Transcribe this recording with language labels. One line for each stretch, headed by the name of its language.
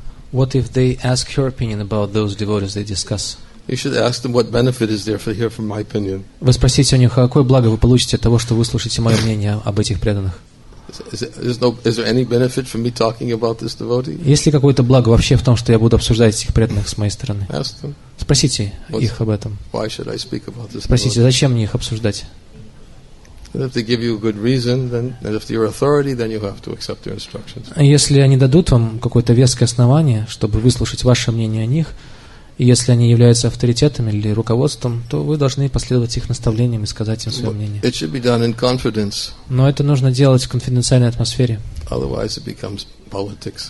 English: What if they ask your opinion about those devotees they discuss? You should ask them what benefit is there for hear from my opinion.
Russian: Вы спросите у них, какое благо вы получите от того, что вы слушаете мое мнение об этих преданных.
English: Is there any benefit from me talking about this devotee?
Russian: Есть ли какое-то благо вообще в том, что я буду обсуждать этих преданных с моей стороны?
English: Ask them.
Russian: Спросите их об этом.
English: Why should I speak about this?
Russian: Спросите, зачем мне их обсуждать?
English: If they give you a good reason, then and if they're authority, then you have to accept their instructions.
Russian: Если они дадут вам какое-то веское основание, чтобы выслушать ваше мнение о них. И если они являются авторитетом или руководством, то вы должны последовать их наставлениям и сказать им свое мнение.
English: It should be done in confidence.
Russian: Но это нужно делать в конфиденциальной атмосфере.
English: Otherwise it becomes politics.